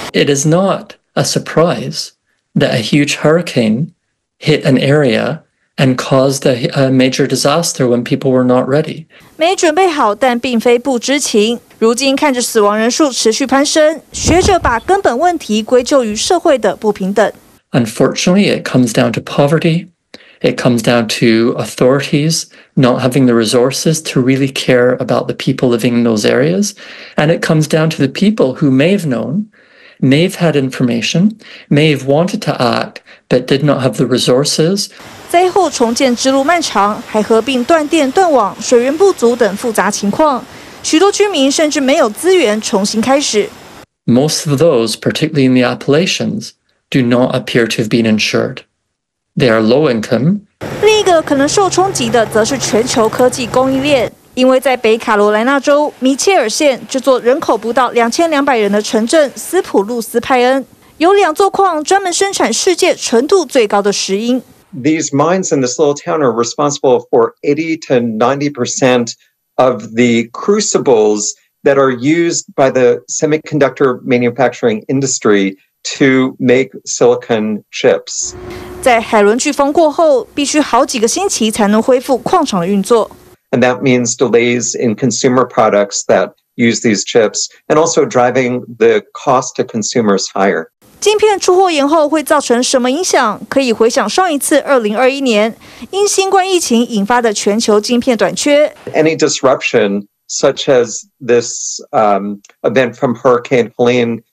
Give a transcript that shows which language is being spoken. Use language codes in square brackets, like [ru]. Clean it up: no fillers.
[en] It is not a surprise that a huge hurricane hit an area. And caused a major disaster when people were not ready. [zh] 没准备好，但并非不知情。如今看着死亡人数持续攀升，学者把根本问题归咎于社会的不平等。 [en] Unfortunately, it comes down to poverty. It comes down to authorities not having the resources to really care about the people living in those areas, and it comes down to the people who may have known. May have had information, may have wanted to act, but did not have the resources. [zh] 灾后重建之路漫长，还合并断电、断网、水源不足等复杂情况，许多居民甚至没有资源重新开始。 [en] Most of those, particularly in the Appalachians, do not appear to have been insured. They are low income. [zh] 另一个可能受冲击的，则是全球科技供应链。因为在北卡罗来纳州米切尔县，这座人口不到2200人的城镇斯普鲁斯派恩，有两座矿专门生产世界纯度最高的石英。 [en] These mines in this little town are responsible for 80-90% of the crucibles that are used by the semiconductor manufacturing industry to make silicon chips. [zh] 在海伦飓风过后，必须好几个星期才能恢复矿场的运作。 [en] And that means delays in consumer products that use these chips, and also driving the cost to consumers higher. [zh] 晶片出货延后会造成什么影响？可以回想上一次2021年，因新冠疫情引发的全球晶片短缺。 [en] Any disruption such as this event from Hurricane Helene